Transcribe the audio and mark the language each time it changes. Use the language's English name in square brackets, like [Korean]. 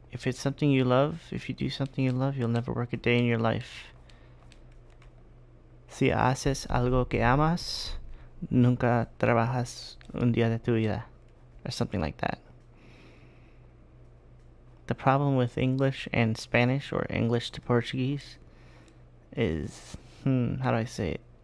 [English] If it's something you love, if you do something you love, you'll never work a day in your life. [Spanish] Si haces algo que amas, nunca trabajas un día de tu vida. [English] Or something like that. The problem with English and Spanish, or English to Portuguese, is, how do I say it?